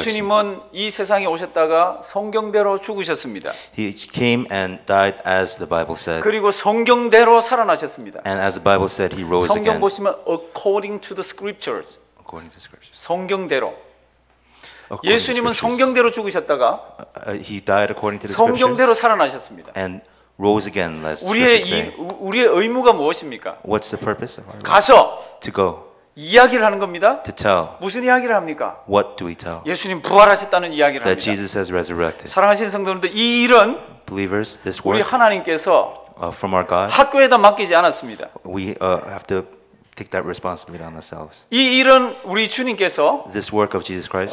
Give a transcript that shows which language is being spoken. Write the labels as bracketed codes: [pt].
[ko] 예수님은 이 세상에 오셨다가 성경대로 죽으셨습니다. [en] He came and died as the Bible said. [ko] 그리고 성경대로 살아나셨습니다. [en] And as the Bible said, he rose again. [ko] 성경 보시면 [en] according to the scriptures. According to the scriptures. [ko] 성경대로. [en] According [ko] 예수님은 성경대로 죽으셨다가 [en] he died according to the scriptures. [ko] 성경대로 살아나셨습니다. [en] And rose again, as scriptures. [ko] 우리의 의무가 무엇입니까? [en] What's the purpose of our [ko] 가서 [en] to go [ko] 이야기를 하는 겁니다. [en] To tell. [ko] 무슨 이야기를 합니까? [en] What do we tell? [ko] 예수님 부활하셨다는 이야기를 [en] That [ko] 합니다. [en] Jesus has resurrected. [ko] 사랑하시는 성도님들 이 일은 [en] Believers, this work, [ko] 우리 하나님께서 [en] from our God, [ko] 학교에다 맡기지 않았습니다. [en] We have to take that responsibility on ourselves. [ko] 이 일은 우리 주님께서 [en] this work of Jesus Christ,